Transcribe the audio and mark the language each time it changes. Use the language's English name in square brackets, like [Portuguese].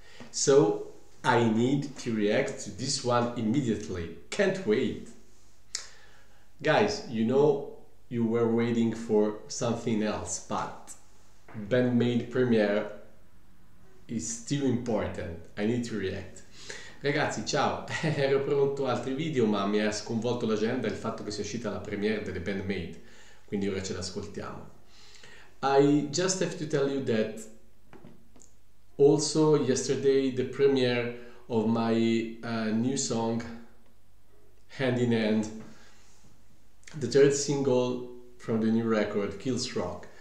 [English] So I need to react to this one immediately. Can't wait. Guys, you know you were waiting for something else, but Band-Maid premiere is still important. I need to react. [Italian] Ragazzi, ciao. Ero pronto altri video, ma mi ha sconvolto l'agenda il fatto che sia uscita la premiere delle Band-Maid. Quindi ora ce l'ascoltiamo. [English] I just have to tell you that also yesterday the premiere of my new song Hand in Hand, the third single from the new record Kills Rock.